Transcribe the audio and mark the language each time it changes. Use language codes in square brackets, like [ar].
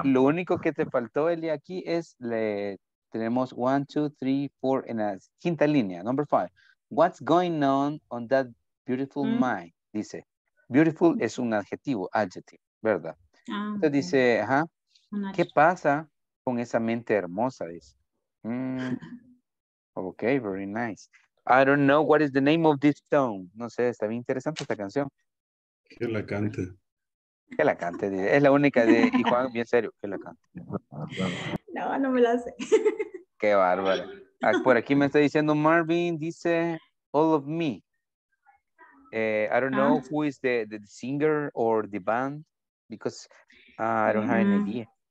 [es] Lo único que te faltó, Eli, aquí es le tenemos 1, 2, 3, 4 en la quinta línea. [en] Number 5. What's going on that beautiful mind? [es] Dice, beautiful es un adjetivo, ¿verdad? Entonces okay. Dice, ajá, ¿qué pasa con esa mente hermosa? Dice. Ok, [en] very nice. I don't know what is the name of this song. [es] No sé, está bien interesante esta canción. Que la cante. Que la cante. Es la única de... Y Juan, bien serio, que la cante. No, no me la sé. Qué bárbaro. Por aquí me está diciendo Marvin, dice All of Me. [en] I don't know who is the singer or the band because I don't have any idea.